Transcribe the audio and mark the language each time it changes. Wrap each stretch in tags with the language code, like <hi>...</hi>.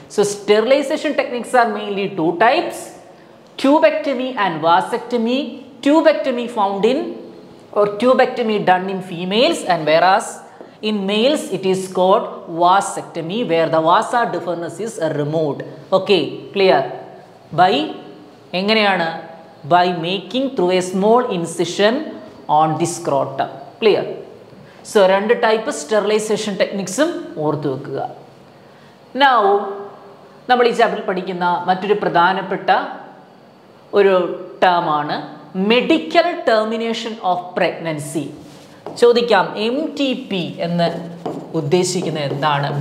<en>So sterilisation techniques are mainly two types, tubectomy and vasectomy. Tubectomy found in or tubectomy done in females and whereas in males it is called vasectomy where the vasa deferens is removed. Okay, clear? ബൈ</en> <ml>എങ്ങനെയാണ്?</ml> <en>By making through a small incision on the scrotum. Clear?</en> <ml>So, രണ്ട് type sterilisation ടെക്നിക്സും ഓർത്തു വെക്കുക. Now, നമ്മൾ ഈ chapter പഠിക്കുന്ന മറ്റൊരു പ്രധാനപ്പെട്ട ഒരു ടേമാണ് മെഡിക്കൽ ടെർമിനേഷൻ ഓഫ് പ്രഗ്നൻസി. ചോദിക്കാം, MTP എന്ന് ഉദ്ദേശിക്കുന്നത് എന്താണ്?</ml>